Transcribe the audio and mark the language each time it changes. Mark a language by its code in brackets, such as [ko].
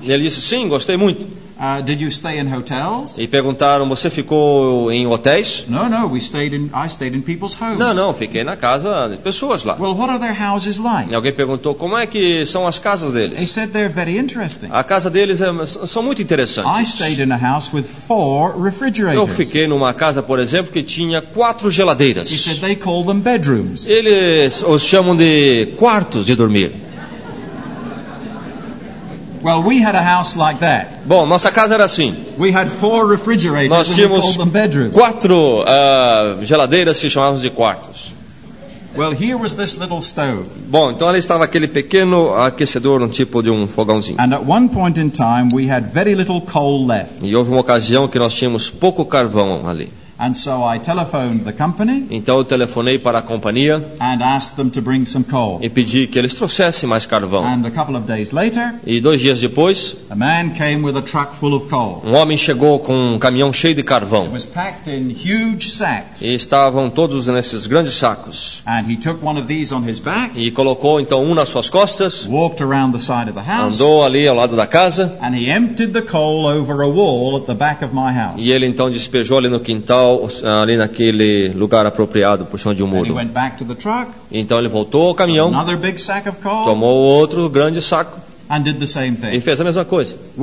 [pt] E ele disse, sim, gostei muito. [en] Did you stay in hotels? [pt] E perguntaram, você ficou em hotéis? [en] No, I stayed in people's homes. [pt] Não, fiquei na casa de pessoas lá. [en] Well, what are their houses like? [pt] E alguém perguntou, como é que são as casas deles? [en] He said they're very interesting. [pt] A casa deles são muito interessantes. [en] I stayed in a house with 4 refrigerators. [pt] Eu fiquei numa casa, por exemplo, que tinha 4 geladeiras. [en] He said they call them bedrooms. [pt] Eles os chamam de quartos de dormir. [en] Well, we had a house like that. [pt] Bom, nossa casa era assim. [en] We had 4 refrigerators. [pt] Nós tínhamos [en] and we called them bedrooms. [pt] 4 geladeiras que chamávamos de quartos. [en] Well, here was this little stove. [pt] Bom, então ali estava aquele pequeno aquecedor, um tipo de um fogãozinho. [en] And at one point in time, we had very little coal left. [pt] E houve uma ocasião que nós tínhamos pouco carvão ali. [en] And so I telephoned the company. [pt] Então eu telefonei para a companhia. [en] And asked them to bring some coal. [pt] E pedi que eles trouxessem mais carvão. [en] And a couple of days later. [pt] E 2 dias depois. [en] A man came with a truck full of coal. [pt] Um homem chegou com um caminhão cheio de carvão. [en] It was packed in huge sacks. [pt] E estavam todos nesses grandes sacos. [en] And he took one of these on his back. [pt] E colocou então nas suas costas. [en] Walked around the side of the house. [pt] Andou ali ao lado da casa. [en] And he emptied the coal over a wall at the back of my house. [pt] E ele então despejou ali no quintal. Ali naquele lugar apropriado por cima de um muro. Então ele voltou ao caminhão, tomou outro grande saco e fez a mesma coisa.